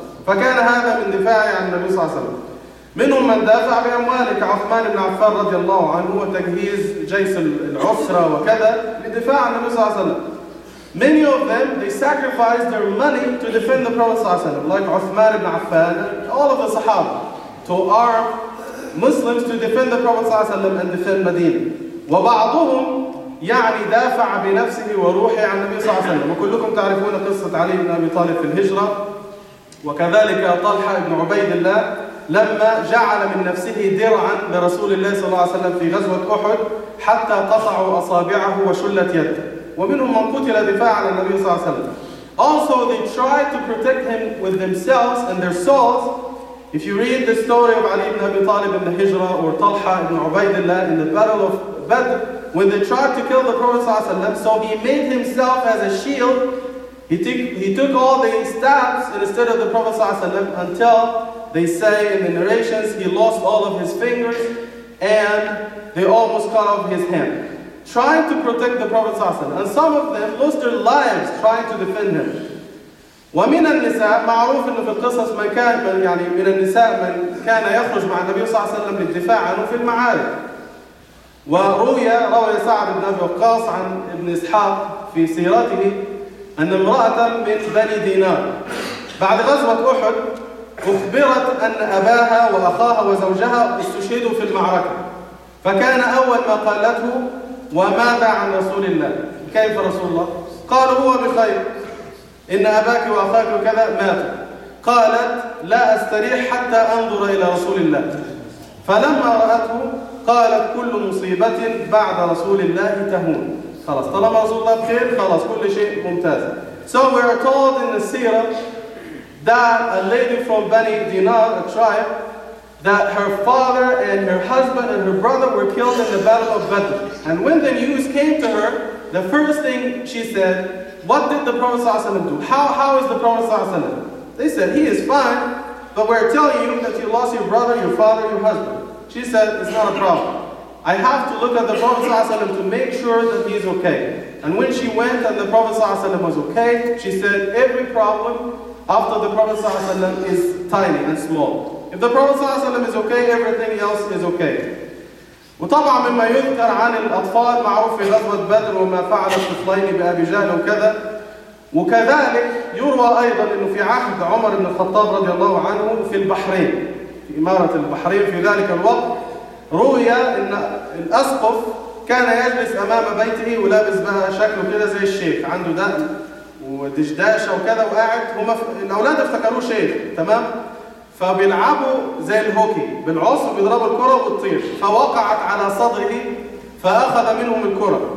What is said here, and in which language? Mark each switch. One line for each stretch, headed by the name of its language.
Arabic: فَكَانَ هَذَا مِنْ دِفَاعِ عَنْ النَّبِي صَلَّى اللَّهُ عَلَيْهِ وَسَلَّمَ مِنْهُمْ مَنْ دَافَعَ بِأَمْوَالِكَ عُثْمَانَ بْنَ عَفَّانَ رَضِيَ اللَّهُ عَنْهُ وَتَجْهِيزَ جَيْشِ الْعُسْرَةِ وَكَذَا لِدِفَاعِ عَنْ النَّبِي صَلَّى اللَّهُ عَلَيْهِ وَسَلَّمَ.
English: Many of them, they sacrificed their money to defend the Prophet ﷺ, like Uthman ibn Affan, all of the Sahaba, to arm Muslims to defend the Prophet
Arabic: صلى الله عليه وسلم
English: and defend Medina.
Arabic: وبعضهم يعني دافع بنفسه وروحه عن النبي صلى الله عليه وسلم. وكلكم تعرفون قصة علي بن أبي طالب في الهجرة وكذلك طلحة بن عبيد الله لما جعل من نفسه درعا لرسول الله صلى الله عليه وسلم في غزوة أحد حتى قطعوا أصابعه وشلت يده ومنهم من قتل دفاعا عن النبي صلى الله عليه وسلم.
English: Also they tried to protect him with themselves and their souls. If you read the story of Ali ibn Abi Talib in the Hijra or Talha ibn Ubaidillah in the Battle of Badr, when they tried to kill the Prophet ﷺ, so he made himself as a shield. He took all the stabs instead of the Prophet ﷺ until they say in the narrations he lost all of his fingers and they almost cut off his hand, trying to protect the Prophet ﷺ. And some of them lost their lives trying to defend him.
Arabic: ومن النساء معروف انه في القصص ما كان من يعني من النساء من كان يخرج مع النبي صلى الله عليه وسلم للدفاع عنه في المعارك. روى سعد بن ابي وقاص عن ابن اسحاق في سيرته ان امراه من بني دينار بعد غزوه احد اخبرت ان اباها واخاها وزوجها استشهدوا في المعركه. فكان اول ما قالته: وماذا عن رسول الله؟ كيف رسول الله؟ قال: هو بخير، إن أباك وأخاك كذا ماتوا. قالت: لا أستريح حتى أنظر إلى رسول الله. فلما رأته قالت: كل مصيبة بعد رسول الله تهون. خلاص، طالما رسول الله بخير خلاص كل شيء ممتاز.
English: So we are told in the seerah that a lady from Bani Dinar, a tribe, that her father and her husband and her brother were killed in the battle of Badr. And when the news came to her, the first thing she said: what did the Prophet ﷺ do? How is the Prophet ﷺ? They said, he is fine, but we're telling you that you lost your brother, your father, your husband. She said, it's not a problem. I have to look at the Prophet ﷺ to make sure that he is okay. And when she went and the Prophet ﷺ was okay, she said, every problem after the Prophet ﷺ is tiny and small. If the Prophet ﷺ is okay, everything else is okay.
Arabic: وطبعا مما يذكر عن الأطفال معروف في غزوة بدر وما فعل الطفلين بأبي جهل وكذا. وكذلك يروى أيضا أنه في عهد عمر بن الخطاب رضي الله عنه في البحرين، في إمارة البحرين في ذلك الوقت، روي أن الأسقف كان يجلس أمام بيته ولابس بها شكله كده زي الشيخ، عنده دقن ودشداشة وكذا وقاعد، الأولاد افتكروه شيخ تمام، فبيلعبوا زي الهوكي بالعصر بيضربوا الكرة وبتطير، فوقعت على صدره فأخذ منهم الكرة.